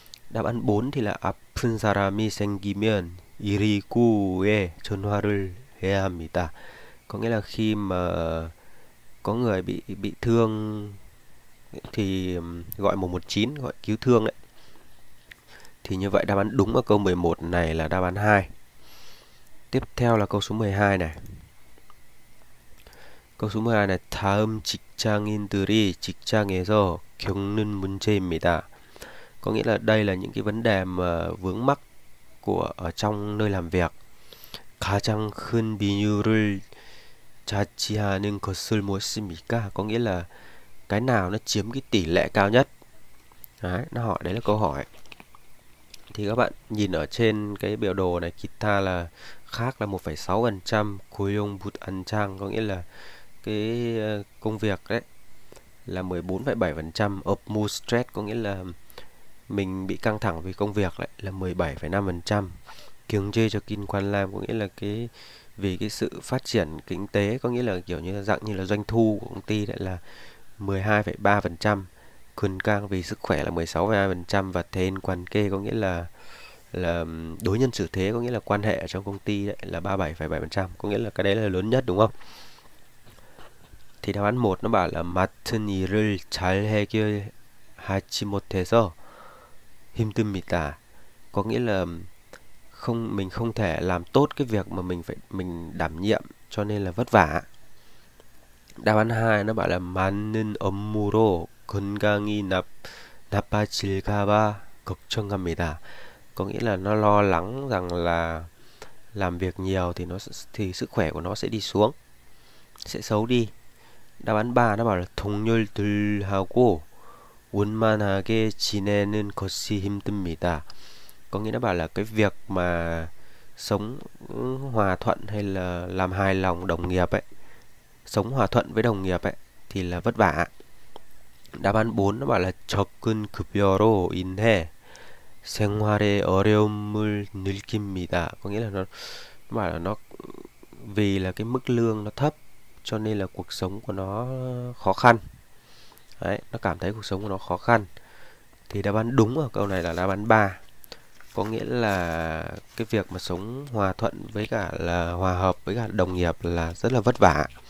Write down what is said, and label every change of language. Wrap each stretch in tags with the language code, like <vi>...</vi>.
<vi>Đáp án 4 thì là Apun Sarami Sengimian Iri ku e chân hoa rơi hề mì tả. Có nghĩa là khi mà có người bị thương thì gọi 119, gọi cứu thương đấy. Thì như vậy đáp án đúng ở câu 11 này là đáp án 2. Tiếp theo là câu số 12 này. Câu số 12 này</vi> <ko>다음 직장인들이 직장에서 겪는 문제입니다.</ko> <vi>Có nghĩa là đây là những cái vấn đề mà vướng mắc của ở trong nơi làm việc.</vi> <ko>가장 큰 비율을 차지하는 것을 무엇입니까?</ko> <vi>Có nghĩa là cái nào nó chiếm cái tỷ lệ cao nhất. Đấy, nó hỏi đấy là câu hỏi. Thì các bạn nhìn ở trên cái biểu đồ này, kita là khác là 1,6%, koyong but an chang có nghĩa là cái công việc đấy là 14,7%, up mood stress có nghĩa là mình bị căng thẳng vì công việc đấy là 17,5%, kiêng chê cho kinh quan lam có nghĩa là cái vì cái sự phát triển kinh tế, có nghĩa là kiểu như là dạng như là doanh thu của công ty đấy là 12,3%, khuyên cang vì sức khỏe là 16,2%, và thên quan kê có nghĩa là đối nhân xử thế, có nghĩa là quan hệ ở trong công ty đấy là 37,7%, có nghĩa là cái đấy là lớn nhất đúng không? Thì đáp án 1 nó bảo là</vi> <ko>맡은 일을 잘 해결하지 못해서 힘듭니다.</ko> <vi>Có nghĩa là không, mình không thể làm tốt cái việc mà mình đảm nhiệm cho nên là vất vả. Đáp án 2 nó bảo là</vi> <ko>맡는 업무로 건강이 나빠질까 봐 걱정합니다.</ko> <vi>Có nghĩa là nó lo lắng rằng là làm việc nhiều thì sức khỏe của nó sẽ đi xuống, sẽ xấu đi. Đáp án 3 nó bảo là</vi> <ko>동료들하고 원만하게 지내는 것이 힘듭니다.</ko> <vi>Có nghĩa nó bảo là cái việc mà sống hòa thuận hay là làm hài lòng đồng nghiệp ấy, sống hòa thuận với đồng nghiệp ấy thì là vất vả. Đáp án 4 nó bảo là</vi> <ko>적은 급여로 인해 생활의 어려움을 느낍니다.</ko> <vi>Có nghĩa là nó bảo là nó vì là cái mức lương nó thấp cho nên là cuộc sống của nó khó khăn. Đấy, nó cảm thấy cuộc sống của nó khó khăn. Thì đáp án đúng ở câu này là đáp án 3. Có nghĩa là cái việc mà sống hòa thuận với cả là hòa hợp với cả đồng nghiệp là rất là vất vả.</vi>